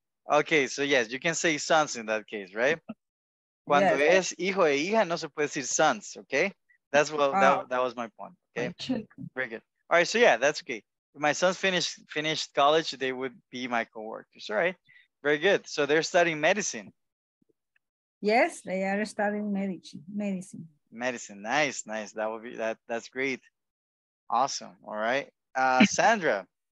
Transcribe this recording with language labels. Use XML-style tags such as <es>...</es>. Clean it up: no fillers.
<en>Okay, so yes, you can say sons in that case, right?</en> <es>Cuando yes. Es hijo e hija, no se puede decir sons, okay?</es> <en>That's what that was my point. Okay. Very good. All right, so yeah, that's okay. If my sons finished college, they would be my co-workers. All right. Very good. So they're studying medicine. Yes, they are studying medicine. Medicine. Nice. That's great. Awesome. All right. Sandra.</en>